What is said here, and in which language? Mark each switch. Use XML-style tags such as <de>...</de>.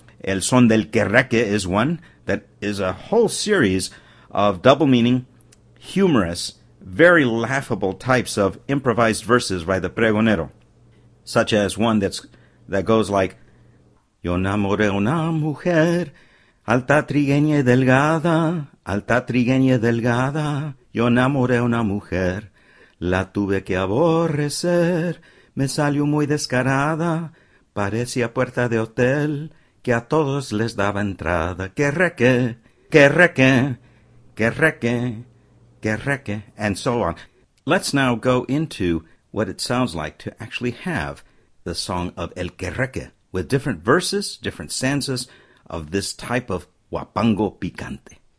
<en>El son del querreque is one that is a whole series of double meaning, humorous, very laughable types of improvised verses by the pregonero, such as one that goes like,</en> <es>yo enamoré una mujer, alta trigueña y delgada. Alta trigueña delgada, yo enamoré una mujer, la tuve que aborrecer, me salió muy descarada, parecía puerta de hotel, que a todos les daba entrada, que reque, que reque, que reque, que reque,</es> <en>and so on. Let's now go into what it sounds like to actually have the song of El Querreque, with different verses, different stanzas of this type of huapango picante.</en>